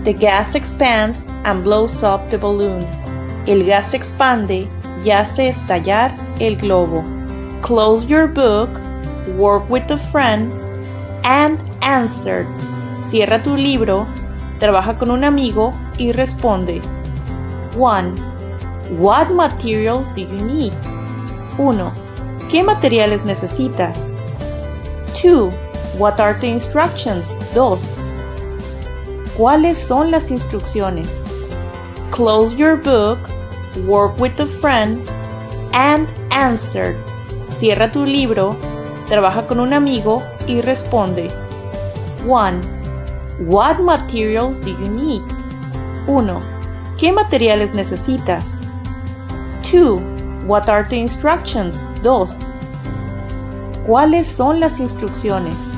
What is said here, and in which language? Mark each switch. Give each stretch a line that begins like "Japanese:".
English: The gas expands and blows up the balloon.
Spanish: El gas se expande y hace estallar el globo.
English: Close your book, work with a friend, and answer.
Spanish: Cierra tu libro, trabaja con un amigo y responde.
English: 1. What materials do you need?
Spanish: 1. ¿Qué materiales necesitas?
English: 2. What are the instructions?
Spanish: 2. ¿Cuáles son las instrucciones?
English: Close your book, work with a friend, and answer.
Spanish: Cierra tu libro, trabaja con un amigo y responde.
English: 1. What materials do you need?
Spanish: 1. ¿Qué materiales necesitas?
English: 2. What are the instructions?
Spanish: 2. ¿Cuáles son las instrucciones?